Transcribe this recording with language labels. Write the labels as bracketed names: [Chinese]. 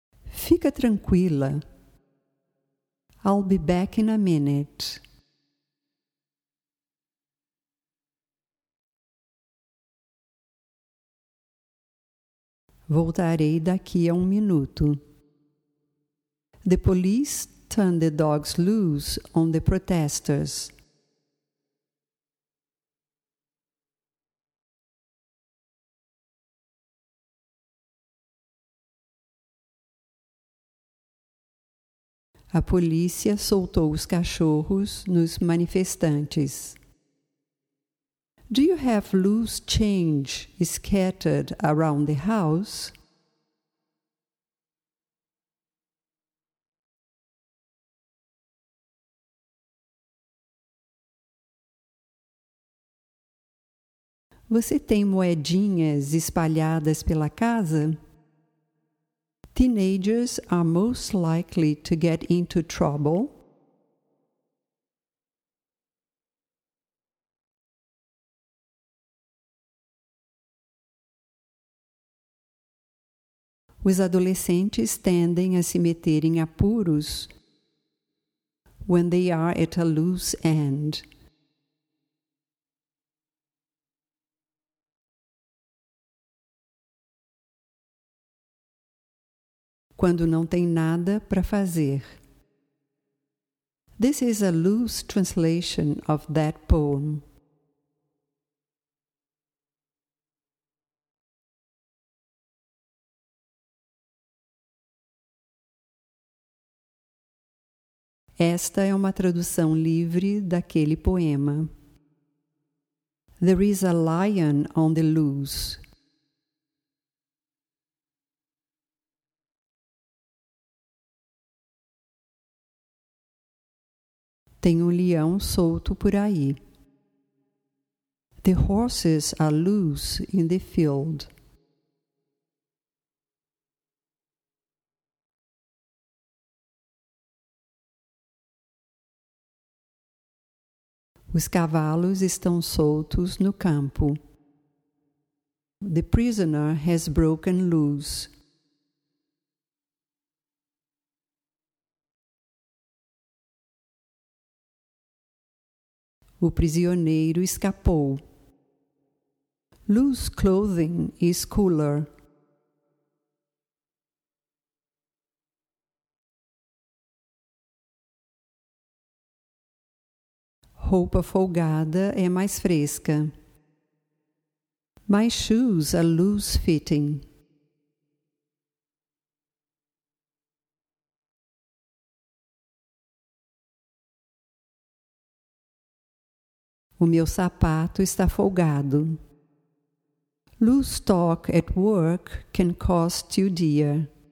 [Portuguese] Fica tranquila. [English] I'll be back in a minute. [Portuguese] Voltarei daqui a um minuto. [English] The police turned the dogs loose on the protesters. [Portuguese] A polícia soltou os cachorros nos manifestantes. [English] Do you have loose change scattered around the house? [Portuguese] Você tem moedinhas espalhadas pela casa? [English] Teenagers are most likely to get into trouble. [Portuguese] Os adolescentes tendem a se meter em apuros [English] when they are at a loose end. [Portuguese] Quando não tem nada para fazer. [English] This is a loose translation of that poem. [Portuguese] Esta é uma tradução livre daquele poema. [English] There is a lion on the loose. [Portuguese] Tem um leão solto por aí. [English] The horses are loose in the field. [Portuguese] Os cavalos estão soltos no campo. [English] The prisoner has broken loose. [Portuguese] O prisioneiro escapou. [English] Loose clothing is cooler. [Portuguese] Roupa folgada é mais fresca. [English] My shoes are loose fitting. [Portuguese] O meu sapato está folgado. [English] Loose talk at work can cost you dear.